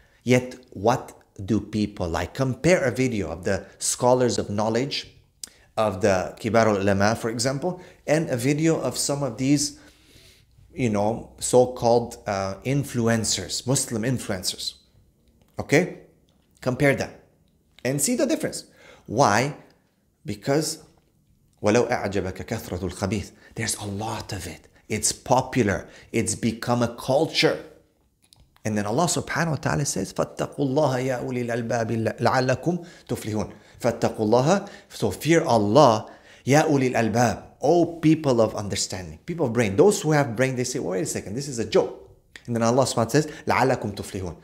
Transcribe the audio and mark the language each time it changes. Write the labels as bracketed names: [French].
[English] Yet what do people like? Compare a video of the scholars of knowledge of the Kibar al-Ulama, for example, and a video of some of these, you know, so-called influencers, Muslim influencers. Okay? Compare that and see the difference. Why? Because [Arabic] وَلَوْ أَعْجَبَكَ كَثْرَةُ الْخَبِيثِ. [English] There's a lot of it. It's popular. It's become a culture. And then Allah subhanahu wa ta'ala says, [Arabic] فَاتَّقُوا اللَّهَ يَا أُولِي الْأَلْبَابِ لَعَلَّكُمْ تُفْلِحُونَ. فَاتَّقُوا اللَّهَ. [English] So fear Allah, [Arabic] يَا أُولِي الْأَلْبَابِ. [English] Oh, people of understanding, people of brain. Those who have brain, they say, wait a second, this is a joke. And then Allah subhanahu wa ta'ala says, [Arabic] لَعَلَّكُمْ تُفْلِحُونَ.